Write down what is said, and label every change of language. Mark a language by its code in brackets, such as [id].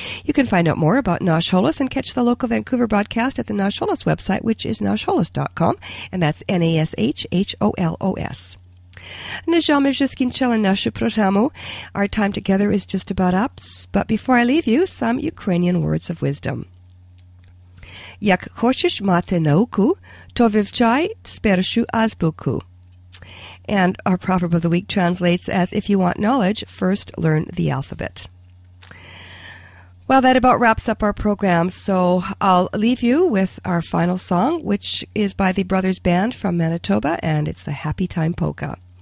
[en] You can find out more about Nash Holos and catch the local Vancouver broadcast at the Nash Holos website, which is nashholos.com, and that's N-A-S-H-H-O-L-O-S. Our time together is just about up, but before I leave you, some Ukrainian words of wisdom. [uk] Як хочеш мати науку, то вивчай спершу азбуку. [en] And our proverb of the week translates as, if you want knowledge, first learn the alphabet. Well, that about wraps up our program, so I'll leave you with our final song, which is by the Brothers Band from Manitoba, and it's the Happy Time Polka.